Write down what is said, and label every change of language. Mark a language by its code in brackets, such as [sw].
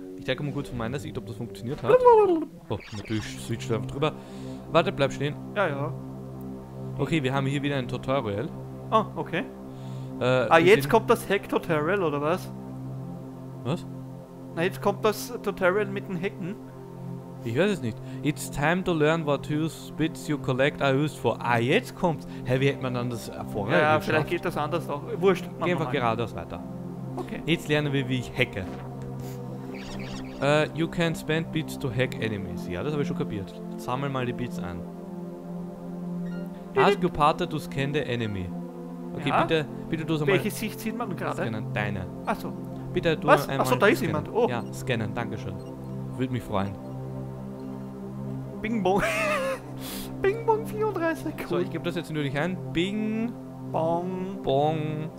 [de] Ich denke mal kurz von meiner Sicht, ob das funktioniert hat. Oh, natürlich switcht einfach drüber. Warte, bleib stehen. Ja, ja. Okay, wir haben hier wieder ein Tutorial. Oh, okay. Jetzt kommt das Hack-Tutorial, oder was? Was? Na, jetzt kommt das Tutorial mit den Hacken. Ich weiß es nicht. [en] It's time to learn what use bits you collect are used for. [de] Ah, jetzt kommt's. Hä, wie hätte man dann das vorher geschafft? Ja, vielleicht geht das anders auch. Wurscht. Geh einfach geradeaus weiter. Okay. Jetzt lernen wir, wie ich hacke. [en] You can spend bits to hack enemies. [de] Ja, das habe ich schon kapiert. Sammel mal die Bits ein. [en] Ask your partner to scan the enemy. [de] Okay, ja? Bitte du es einmal. Welche Sicht sieht man gerade? Scannen. Deine. Achso. Bitte du was? Einmal. Achso, da ist jemand. Oh. Ja, scannen. Dankeschön. Würde mich freuen. Bing Bong. Bing Bong 34. Cool. So, ich gebe das jetzt nur nicht ein. Bing Bong. Bong